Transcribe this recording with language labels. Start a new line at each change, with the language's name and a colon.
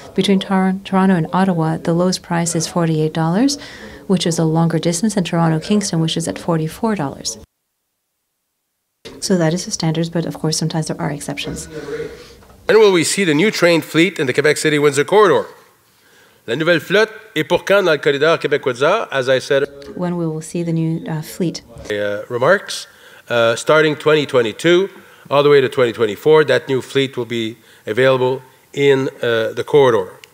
English: Between Toronto and Ottawa, the lowest price is $48, which is a longer distance, and Toronto-Kingston, which is at $44. So that is the standards, but of course, sometimes there are exceptions. When will we see the new train fleet in the Quebec City-Windsor corridor?
French: La nouvelle flotte est pour quand dans le corridor Québec-Windsor,
English: as I said. When we will see the new fleet? Remarks. Starting 2022, all the way to 2024, that new fleet will be available in the corridor.